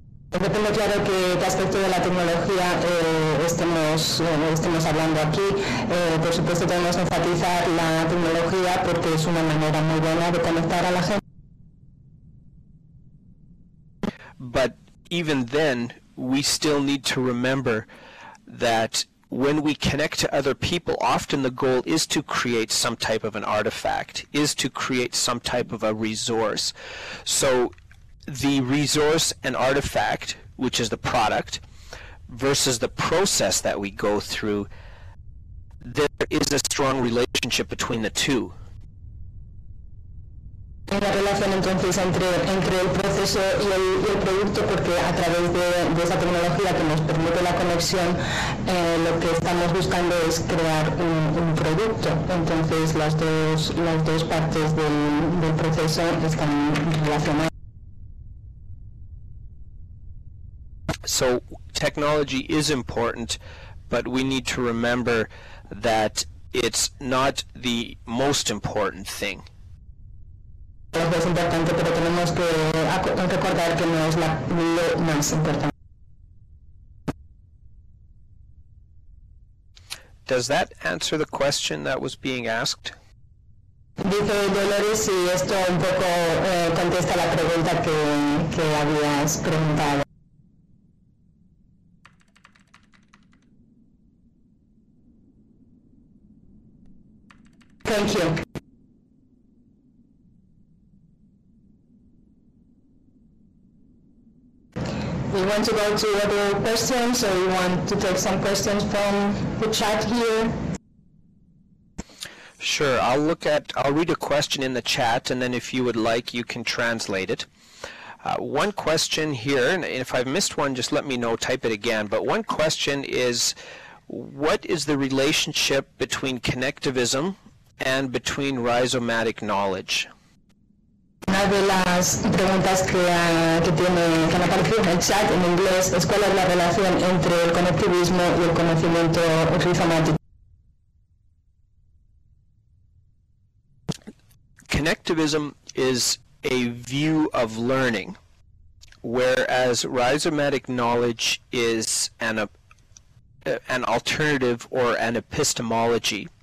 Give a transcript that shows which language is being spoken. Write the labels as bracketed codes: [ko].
[es] Depende claro que el aspecto de la tecnología estemos hablando aquí. Por supuesto tenemos que enfatizar la tecnología porque es una manera muy buena de conectar a la gente. [en] But even then, we still need to remember that when we connect to other people, often the goal is to create some type of an artifact, is to create some type of a resource. So the resource and artifact, which is the product, versus the process that we go through, there is a strong relationship between the two. [es] La relación entonces entre el proceso y el producto, porque a través de esa tecnología que nos permite la conexión, lo que estamos buscando es crear un producto. Entonces las dos partes del proceso están relacionadas. [en] So technology is important, but we need to remember that it's not the most important thing. [es] Es importante, pero tenemos que recordar que no es lo más importante. [en] Does that answer the question that was being asked? [es] Dice Dolores si esto un poco contesta la pregunta que habías preguntado. [en] Thank you. We want to go to other questions, so we want to take some questions from the chat here. Sure, I'll read a question in the chat, and then if you would like, you can translate it. One question here, and if I've missed one, just let me know, type it again. But one question is, what is the relationship between connectivism and between rhizomatic knowledge? [es] Una de las preguntas que han aparecido en el chat en inglés es cuál es la relación entre el conectivismo y el conocimiento rizomático. [en] Connectivism is a view of learning, whereas rhizomatic knowledge is an alternative or an epistemology.